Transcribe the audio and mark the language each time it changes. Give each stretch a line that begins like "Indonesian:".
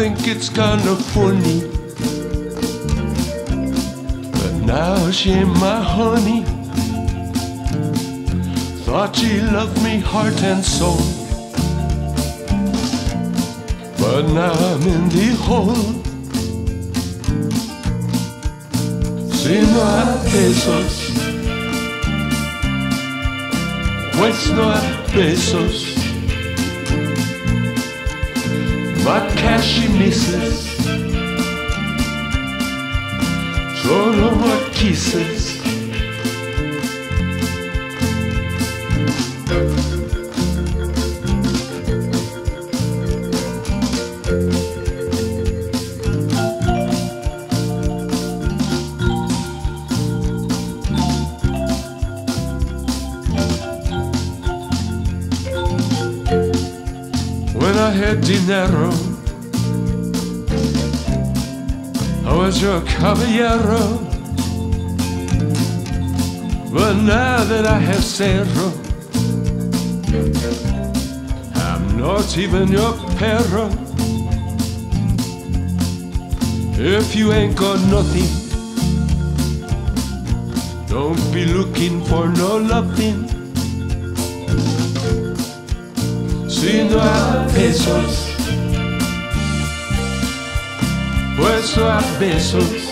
English: It's kind of funny, but now she ain't my honey. Thought she loved me heart and soul, but now I'm in the hole.
Spanish: Si no hay pesos, pues no hay pesos.
English: My cash she misses, so no more kisses.
Spanish: Dinero.
English: How was your caballero? But now that I have cero, I'm not even your perro. If you ain't got nothing, don't be looking for no loving.
Spanish: Si no hay pesos, pues no hay besos.